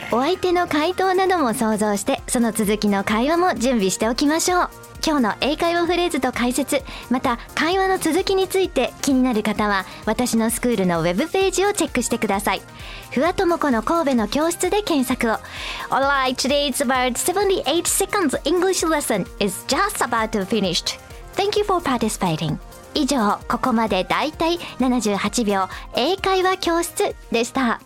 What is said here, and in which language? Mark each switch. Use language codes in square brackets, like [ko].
[ja] お相手の回答なども想像してその続きの会話も準備しておきましょう。今日の英会話フレーズと解説、また会話の続きについて気になる方は私のスクールのウェブページをチェックしてください。ふわともこの神戸の教室で検索を。 [en] Alright, today's about 78 seconds English lesson is just about to finish. Thank you for participating. [ja] 以上、ここまでだいたい78秒英会話教室でした。